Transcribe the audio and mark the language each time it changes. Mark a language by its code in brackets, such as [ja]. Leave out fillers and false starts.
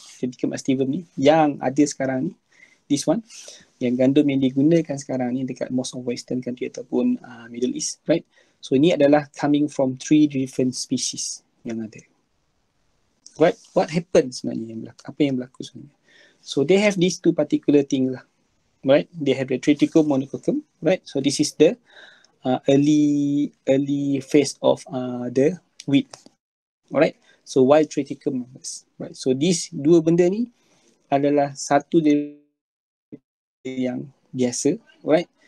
[ms] Triticum astivum ni yang ada sekarang ni, [en] this one, [ms] yang gandum yang digunakan sekarang ni dekat [en] most of Western country [ms] ataupun Middle East, right? [en] So [ms] ini adalah [en] coming from three different species [ms] yang ada. [en] Right? What happens [ms] sebenarnya yang berlaku? Apa yang berlaku sebenarnya? [en] So they have these two particular thing lah, right? They have the triticum monococcum, right? So this is the early phase of the wheat. Alright, so why triticum members? Right, so these [ms] dua benda ni adalah satu dia yang biasa, right?